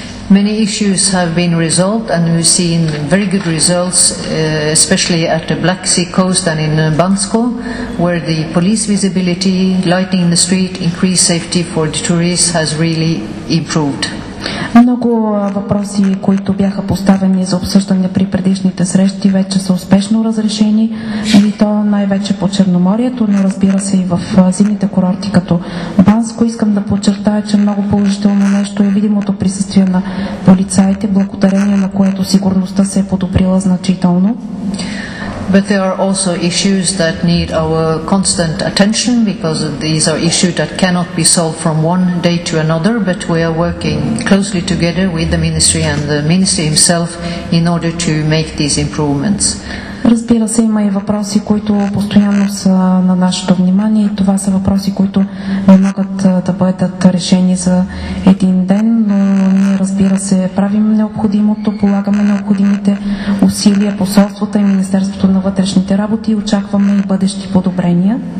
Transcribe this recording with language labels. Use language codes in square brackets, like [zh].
[en] Many issues have been resolved and we've seen very good results, especially at the Black Sea coast and in Bansko, where the police visibility, lighting in the street, increased safety for the tourists has really improved. [bg] Много въпроси, които бяха поставени за обсъждане при предишните срещи, вече са успешно разрешени, и то най-вече по Черноморието, но разбира се и в зимните курорти като Банско. Искам да подчертая, че много положително нещо е видимото присъствие на полицаите, благодарение на което сигурността се е подобрила значително. [en] But there are also issues that need our constant attention because these are issues that cannot be solved from one day to another, but we are working closely together with the ministry and the ministry himself in order to make these improvements. [bg] Разбира се, има и въпроси, които постоянно са на нашето внимание, и това са въпроси, които не могат да бъдат решени за един ден, но ние, разбира се, правим необходимото, полагаме необходимите усилия, посолствата и Министерството на вътрешните работи, и очакваме и бъдещи подобрения.